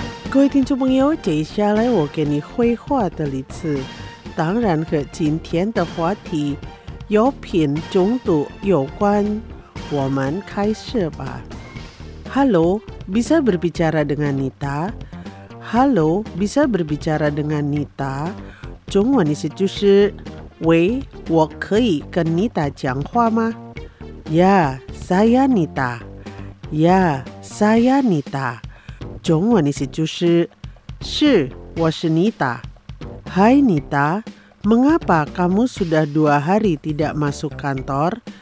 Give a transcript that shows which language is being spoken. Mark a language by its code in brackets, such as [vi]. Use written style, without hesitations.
[zh] 各位听众朋友，接下来我给你绘画的例子，当然和今天的话题药品中毒有关。我们开始吧。 [id] Hello， bisa berbicara dengan Nita？ Hello， bisa berbicara dengan Nita？ [zh] 中文意思就是，喂，我可以跟 Nita 讲话吗？ [id] Yeah， saya Nita。Yeah， saya Nita。 [zh] 中文意思就是，是，我是妮达。 [id] Hai Nita， mengapa kamu sudah dua hari tidak masuk kantor？